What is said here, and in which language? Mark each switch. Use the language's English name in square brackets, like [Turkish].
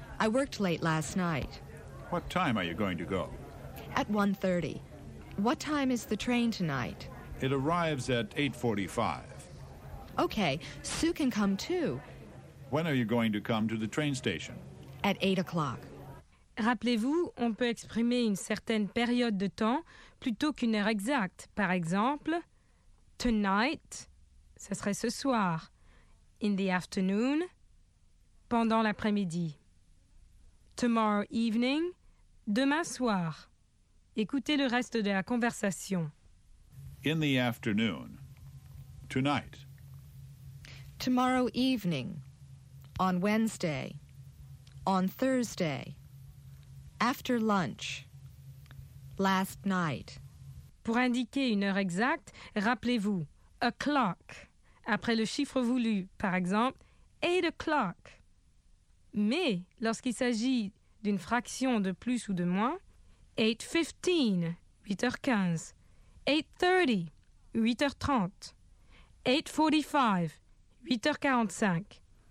[English] I worked late last night. What time are you going to go? At 1:30. What time is the train tonight? It arrives at 8:45. Okay. Sue can come too. When are you going to come to the train station? At 8 o'clock. [French] Rappelez-vous, on peut exprimer une certaine période de temps plutôt qu'une heure exacte. Par exemple, [English] tonight, [French] ce serait ce soir. [English] In the afternoon, [French] pendant l'après-midi. [English] Tomorrow evening, [French] demain soir. Écoutez le reste de la conversation. [English] In the afternoon, tonight. Tomorrow evening, on Wednesday. On Thursday, after lunch, last night. [French] Pour indiquer une heure exacte, rappelez-vous, o'clock, après le chiffre voulu, par exemple, [English] 8 o'clock. [French] Mais, lorsqu'il s'agit d'une fraction de plus ou de moins, 8:15, 8h15, 8:30, 8h30, 8:45, 8h45.